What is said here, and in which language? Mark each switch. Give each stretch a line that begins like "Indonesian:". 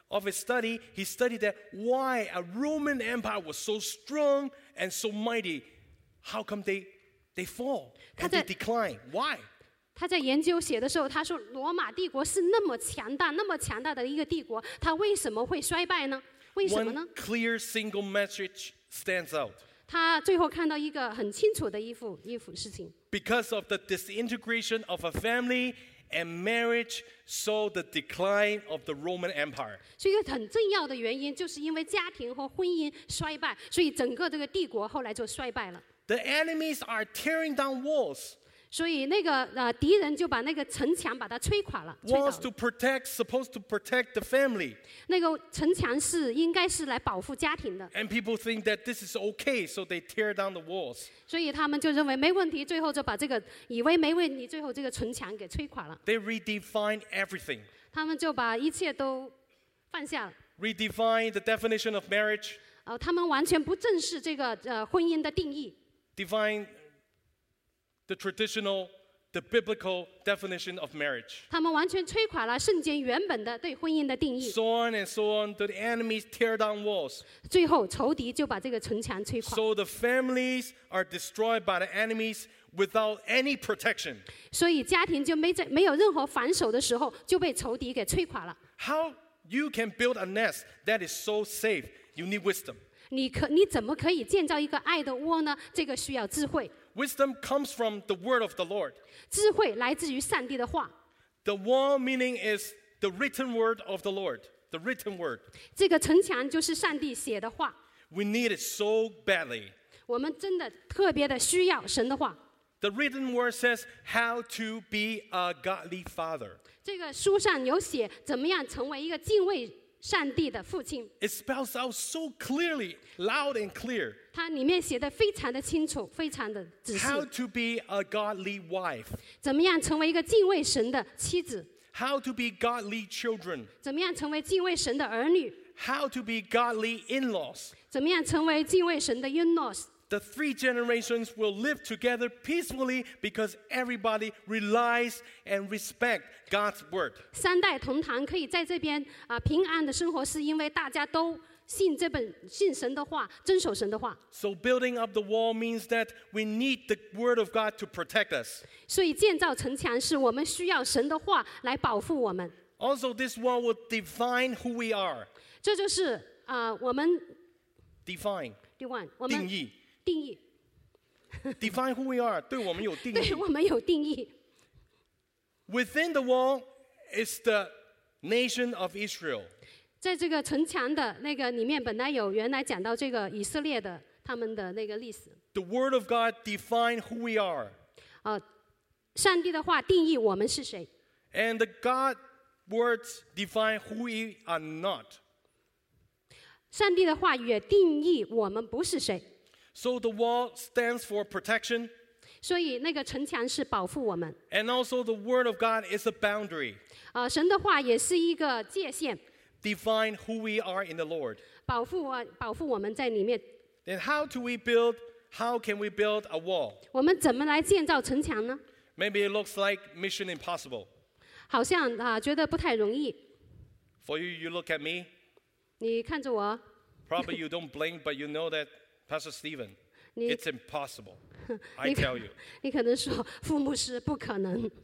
English: Of his study, he studied that why a Roman Empire was so strong and so mighty. How come they fall and they decline? Why?
Chinese: 他在研究写的时候，他说罗马帝国是那么强大，那么强大的一个帝国，它为什么会衰败呢？为什么呢？
English: One clear single message stands out.
Chinese: 他最后看到一个很清楚的一幅事情。
English: Because of the disintegration of a family. And marriage saw the decline of the Roman Empire.
Chinese: 是一个很重要的原因，就是因为家庭和婚姻衰败，所以整个这个帝国后来就衰败了。
English: The enemies are tearing down walls.
Chinese: 所以那个敌人就把那个城墙把它摧垮了。
English: Walls to protect, supposed to protect the family.
Chinese: 那个城墙是应该是来保护家庭的。
English: And people think that this is okay, so they tear down the walls.
Chinese: 所以他们就认为没问题，最后就把这个以为没问题，最后这个城墙给摧垮了。
English: They redefine everything.
Chinese: 他们就把一切都放下了。
English: Redefine the definition of marriage.
Chinese: 他们完全不正视这个婚姻的定义。
English: Define. The traditional, the biblical definition of marriage.
Chinese: 他们完全摧垮了圣经原本的对婚姻的定义。
English: So on and so on, the enemies tear down walls.
Chinese: 最后仇敌就把这个城墙摧垮。
English: So the families are destroyed by the enemies without any protection.
Chinese: 所以家庭就没有任何防守的时候就被仇敌给摧垮了。
English: How you can build a nest that is so safe? You need wisdom.
Chinese: 你怎么可以建造一个爱的窝呢？这个需要智慧。
English: Wisdom comes from the word of the Lord.
Chinese: 智慧来自于上帝的话。
English: The wall meaning is the written word of the Lord. The written word.
Chinese: 这个城墙就是上帝写的话。
English: We need it so badly.
Chinese: 我们真的特别的需要神的话。
English: The written word says how to be a godly father.
Chinese: 这个书上有写怎么样成为一个敬畏上帝的父亲。
English: It spells out so clearly, loud and clear.
Chinese: 它里面写的非常的清楚，非常的仔细。
English: How to be a godly wife?
Chinese: 怎么样成为一个敬畏神的妻子
English: ？How to be godly children?
Chinese: 怎么样成为敬畏神的儿女
English: ？How to be godly in-laws?
Chinese: 怎么样成为敬畏神的 in-laws?
English: The three generations will live together peacefully because everybody relies and respects God's word.
Chinese: 三代同堂可以在这边平安的生活，是因为大家都。信神的话，遵守神的话。
English: So building up the wall means that we need the word of God to protect us.
Chinese: 所以建造城墙是我们需要神的话来保护我们。
English: Also, this wall will define who we are.
Chinese: 这就是我们
English: define
Chinese: 定义定义
English: define who we are
Chinese: 对我们有定义对我们有定义。
English: Within the wall is the nation of Israel.
Chinese: 在这个城墙的那个里面，本来有原来讲到这个以色列的他们的那个历史。
English: The word of God defined who we are.
Chinese: 上帝的话定义我们是谁。
English: And the God words define who we are not.
Chinese: 上帝的话也定义我们不是谁。
English: So the wall stands for protection.
Chinese: 所以那个城墙是保护我们。
English: And also the word of God is a boundary.
Chinese: 神的话也是一个界限。
English: Define who we are in the Lord.
Chinese: 保护我们在里面。
English: Then how do we build? How can we build a wall?
Chinese: 我们怎么来建造城墙呢？
English: Maybe it looks like Mission Impossible.
Chinese: 好像觉得不太容易。
English: For you, you look at me.
Chinese: 你看着我。
English: Probably you don't blink, but you know that Pastor Stephen, it's impossible. I tell you.
Chinese: 你可能说父牧师不可能。